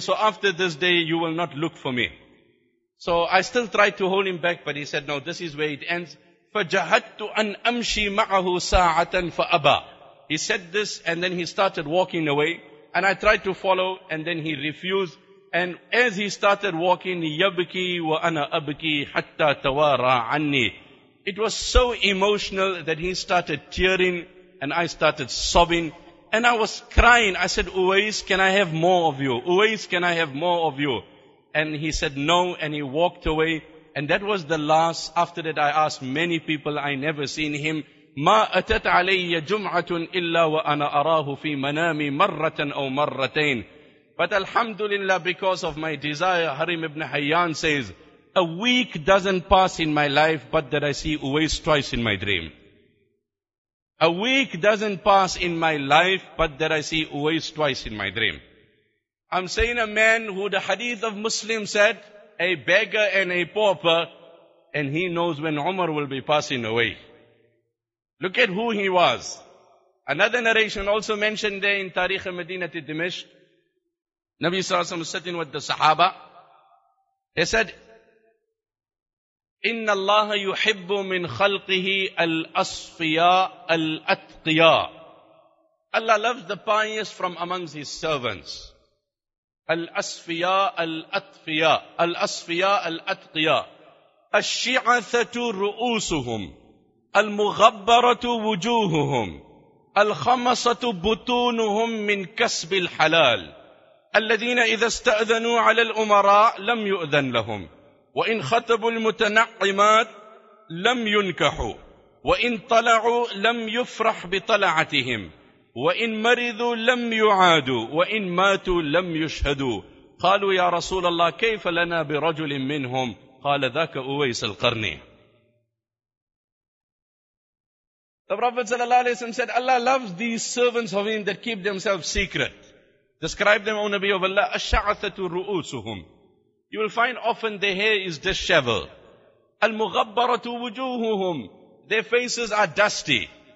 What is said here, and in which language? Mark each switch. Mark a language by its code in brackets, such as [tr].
[en] So after this day, you will not look for me. So I still tried to hold him back, but he said, no, this is where it ends. [ar] فَجَهَدْتُ أَنْ أَمْشِي مَعَهُ سَاعَةً فَأَبَى. [en] He said this and then he started walking away. And I tried to follow and then he refused. And as he started walking, [ar] يَبْكِي وَأَنَا أَبْكِي حَتَّى تَوَارَى عَنِّي. [en] It was so emotional that he started tearing and I started sobbing. And I was crying. I said, Uwais, can I have more of you? Uwais, can I have more of you? And he said no and he walked away. And that was the last. After that, I asked many people. I never seen him. [ar] مَا أَتَتْ عَلَيَّ جُمْعَةٌ إِلَّا وَأَنَا أَرَاهُ فِي مَنَامِ مَرَّةً أَوْ مَرَّتَيْنِ. [en] But alhamdulillah, because of my desire, Harim ibn Hayyan says, a week doesn't pass in my life but that I see Uwais twice in my dream. A week doesn't pass in my life but that I see Uwais twice in my dream. I'm saying a man who the hadith of Muslim said, a beggar and a pauper, and he knows when Umar will be passing away. Look at who he was. Another narration also mentioned there in Tariq al-Madinah al-Dimashq. Nabi Sallallahu Alaihi Wasallam sitting with the Sahaba. He said, [ar] إِنَّ اللَّهَ يُحِبُّ مِنْ خَلْقِهِ الْأَصْفِيَا الْأَتْقِيَا. [en] Allah loves the pious from amongst his servants. [ar] الأصفياء الأتقياء. الأصفياء الأتقياء. الشعثة رؤوسهم، المغبرة وجوههم، الخمصة بطونهم من كسب الحلال، الذين إذا استأذنوا على الأمراء لم يؤذن لهم، وإن خطبوا المتنعمات لم ينكحوا، وإن طلعوا لم يفرح بطلعتهم، وإن مرضوا لم يعادوا، وإن ماتوا لم يشهدوا. قالوا: يا رسول الله، كيف لنا برجل منهم؟ قال: ذاك أويس القرني. [en] The Prophet sallallahu alayhi wa sallam said, Allah loves these servants of him that keep themselves secret. Describe them, O Nabi of Allah, [ar] أَشَّعَثَةُ رُؤُوسُهُمْ. [en] You will find often their hair is disheveled. [ar] أَلْمُغَبَّرَةُ وُجُوهُهُمْ. [en] Their faces are dusty.